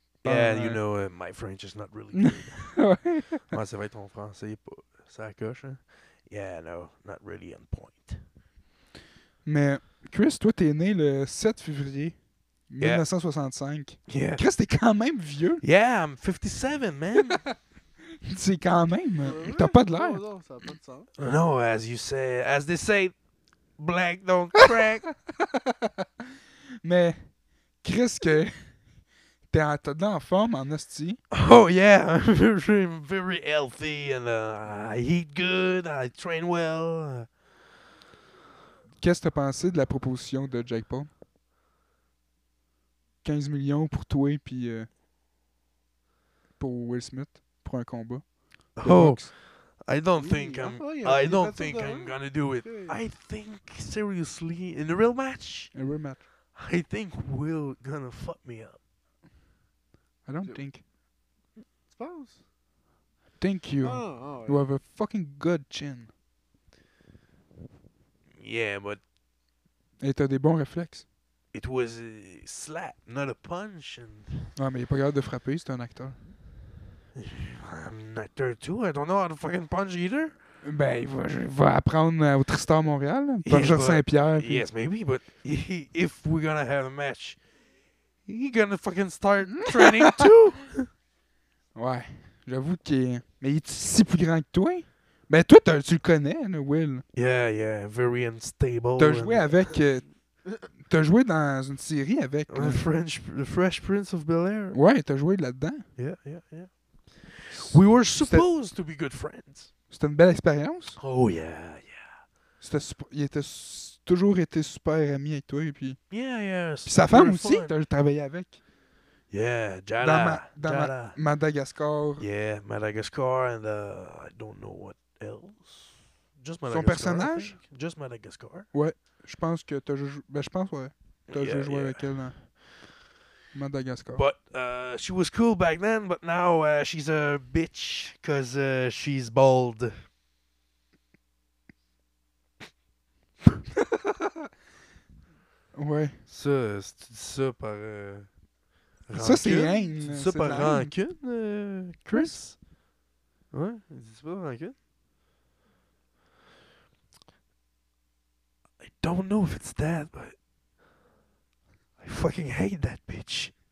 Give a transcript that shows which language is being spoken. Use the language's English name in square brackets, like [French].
[English] Yeah, you know, my French is not really good. [French] Ouais, ça va être ton français, ça coche. Hein? [English] Yeah, no, not really on point. [French] Mais Chris, toi, t'es né le 7 février 1965. [English] Yeah. [French] Chris, t'es quand même vieux. [English] Yeah, I'm 57, man. [French] C'est quand même. Ouais, t'as pas de l'air. Non, ça a pas de sens. [English] No, as they say, black don't crack. [French] Mais Chris, que t'es en forme, en hostie. [English] Oh, yeah. I'm very healthy and I eat good, I train well. [French] Qu'est-ce que t'as pensé de la proposition de Jake Paul? 15 millions pour toi et puis pour Will Smith pour un combat. [English] Oh, box. I don't think I'm. I don't think I'm gonna do it. I think seriously in a real match. In a real match. I think Will gonna fuck me up. I don't think. Suppose. Thank you. You have a fucking good chin. Yeah, but... [French] Et t'as des bons réflexes. [English] It was a slap, not a punch. And [French] ouais, mais il est pas capable de frapper, c'est un acteur. [English] I'm an actor too, I don't know how to fucking punch either. [French] Ben, il va apprendre au Tristar Montréal, par Jean Saint-Pierre. Puis... [English] Yes, maybe, but if we're gonna have a match, he's gonna fucking start training too. [French] Ouais, j'avoue qu'il est... Mais il est si plus grand que toi, hein? Ben toi, tu le connais, Will. [English] Yeah, yeah, very unstable. [French] T'as joué avec... t'as joué dans une série avec... [English] The Fresh Prince of Bel-Air. [French] Ouais, t'as joué là-dedans. [English] Yeah. We were supposed to be good friends. [French] C'était une belle expérience. [English] Oh, yeah. [French] Il était toujours super ami avec toi, et puis... [English] Yeah. [French] Puis sa femme aussi, t'as travaillé avec. [English] Yeah, Jada. [French] Dans Madagascar. [English] Yeah, Madagascar, and I don't know what. [French] Just Madagascar. Son personnage? [English] Just Madagascar. [French] Ouais, je pense que t'as joué. Ben, je pense, ouais. T'as joué avec elle dans Madagascar. [English] But she was cool back then, but now she's a bitch because she's bald. [French] Ouais. Ça, si tu dis ça par. Ça, c'est haine. Tu dis ça par rancune, Chris? Ouais, dis-tu pas rancune? [English] don't know if it's that, but I fucking hate that bitch.